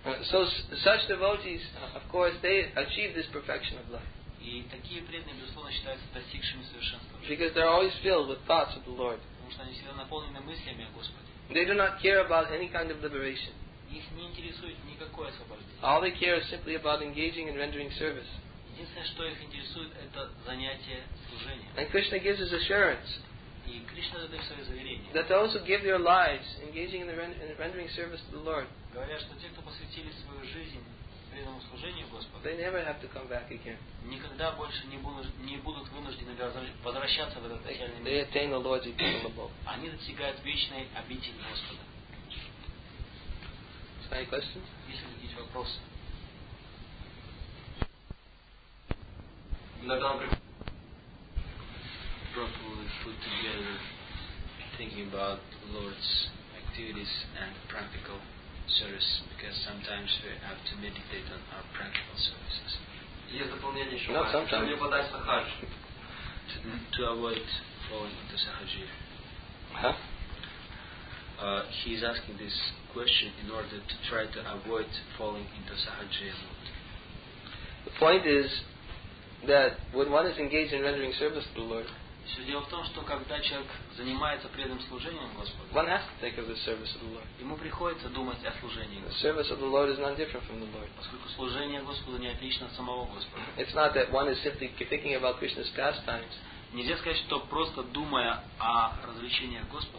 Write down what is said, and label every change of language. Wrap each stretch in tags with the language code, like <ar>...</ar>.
<en>So such devotees, of course, they achieve this perfection of life.</en> <ru>И такие преданные, безусловно, считаются достигшими совершенства.</ru> <en>Because they're always filled with thoughts of the Lord.</en> <ru>Потому что они всегда наполнены мыслями о Господе.</ru> <en>They do not care about any kind of liberation.</en> <ru>Их не интересует никакое освобождение.</ru> <en>All they care is simply about engaging and rendering service.</en> <ru>Единственное, что их интересует, это занятие служением.</ru> <en>And Krishna gives his assurance.</en> <ru>И Кришна дает свое заверение.</ru> <en>That those who give their lives, engaging in rendering service to the Lord,</en> <ru>говорят, что те, кто посвятили свою жизнь преданному служению Господу,</ru> <en>they never have to come back again.</en> <ru>Никогда больше не будут вынуждены возвращаться в этот реальный мир.</ru> <en>They attain the Lord's eternal abode.</en> <ru>Они достигают вечной обители Господа.</ru> <en>Any questions?</en> <ru>Если какие-то вопросы.</ru> <en>Properly put together, thinking about the Lord's activities and practical service, because sometimes we have to meditate on our practical services. Not sometimes. To avoid falling into sahaja. Huh? He's asking this question in order to try to avoid falling into sahaja. The point is that when one is engaged in rendering service to the Lord,</en> <ru>все дело в том, что когда человек занимается преданным служением Господу,</ru> <en>one has to think of the service of the Lord.</en> <ru>Ему приходится думать о служении.</ru> <en>The service of the Lord is not different from the Lord.</en> <ru>Поскольку служение Господу не отлично от самого Господа.</ru> <en>It's not that one is simply thinking about Krishna's pastimes.</en> <ru>Нельзя сказать, что просто думая о развлечениях Господа.</ru>